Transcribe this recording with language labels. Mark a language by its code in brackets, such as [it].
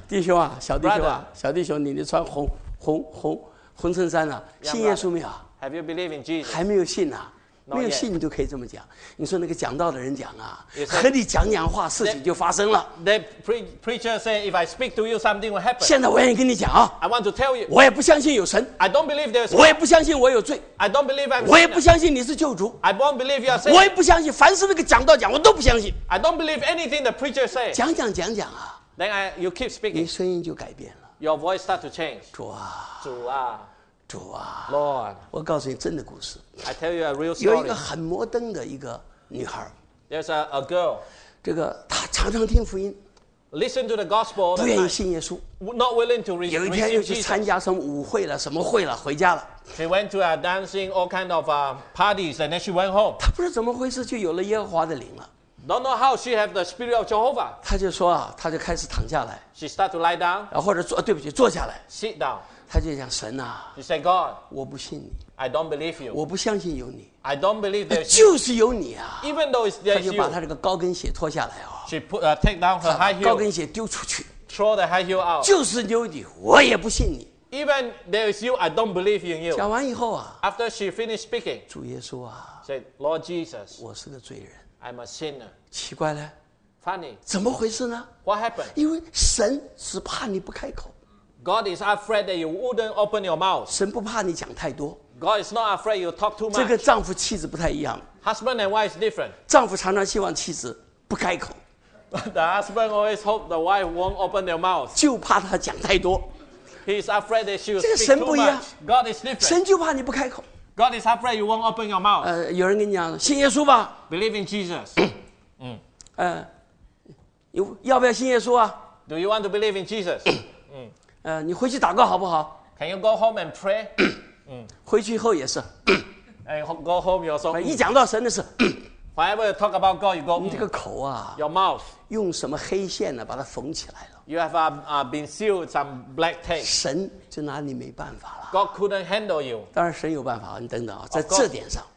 [zh] 弟兄啊，小弟兄啊， [en] Brother, [zh] 小弟兄，你得穿红衬衫啊！信耶稣没有 [en] ？Have you believed in Jesus？ [zh] 还没有信呐、啊， [en] Not、 [zh] 没有信你就可以这么讲。你说那个讲道的人讲啊， [en] said, [zh] 和你讲讲话，事情就发生了。 [en] The preacher said, if I speak to you, something will happen. [zh] 现在我愿意跟你讲啊 [en] ，I want to tell you， [zh] 我也不相信有神 [en] ，I don't believe there's， [zh] 我也不相信我有罪 [en] ，I don't believe I'm， [zh] 我也不相信你是救主 [en] ，I don't believe you are saved， [zh] 我也不相信，凡是那个讲道讲，我都不相信 [en] ，I don't believe anything the preacher said。 [zh] 讲讲啊。 [en] Then I, you keep speaking. [zh] 你声音就改变了。 [en] Your voice start to change. [zh] 主啊，主啊，主啊 [en] ，Lord. [zh] 我告诉你真的故事。 [en] I tell you a real story. [zh] 有一个很摩登的一个女孩。 [en] There's a girl. [zh] 这个她常常听福音。 [en] Listen to the gospel. [zh] 不愿意信耶稣。 [en] Not willing to receive. [zh] 有一天又去参加什么舞会了，什么会了，回家了。 [en] She went to a dancing all kind of parties and then she went home. [zh] 她不知道怎么回事，就有了耶和华的灵了。 [en] Don't know how she have the spirit of Jehovah. [zh] 他就说啊，他就开始躺下来。 [en] She start to lie down. [zh] 或者坐，对不起，坐下来。 [en] Sit down. [zh] 他就讲神啊。 [en] She said God. [zh] 我不信你。 [en] I don't believe you. [zh] 我不相信有你。 [en] I don't believe there's. [zh] 就是有你啊。 [en] Even though it's there's you. [zh] 他就把他这个高跟鞋脱下来啊。 [en] She put take down her high heel. [zh] 高跟鞋丢出去。 [en] Throw the high heel out. [zh] 就是有你，我也不信你。 [en] Even there's you, I don't believe in you. [zh] 讲完以后啊。 [en] After she finished speaking. [zh] 主耶稣啊。 [en] Said Lord Jesus. [zh] 我是个罪人。 [en] I'm a sinner. [zh] 奇怪呢 [en] Funny. [zh] 怎么回事呢 [en] What happened? [zh] 因为神只怕你不开口 [en] God is afraid that you wouldn't open your mouth. [zh] 神不怕你讲太多 [en] God is not afraid you talk too much. [zh] 这个丈夫妻子不太一样 [en] Husband and wife is different. [zh] 丈夫常常希望妻子不开口 [en] The husband always hope the wife won't open their mouth. [zh] 就怕他讲太多 [en] He is afraid that she will speak too much. [zh] 这个神不一样 [en] God is different. [zh] 神就怕你不开口 [en] God is afraid you won't open your mouth. [zh] 有人跟你讲，信耶稣吧。 [en] Believe in Jesus. [zh] 要不要信耶稣啊 [en] ？Do you want to believe in Jesus? [zh] 你回去祷告好不好 [en] ？Can you go home and pray? [zh] 回去以后也是。 [en] And go home you also. [zh] 一讲到神的事。 [en] Whenever you talk about God, you go. [zh] 你这个口啊。 [en] Your mouth. [zh] 用什么黑线呢？把它缝起来了。 [en] You have been sealed with some black tape. [zh] 神就拿你没办法了。 [en] God couldn't handle you. [zh] 当然神有办法，你等等啊，在这点上。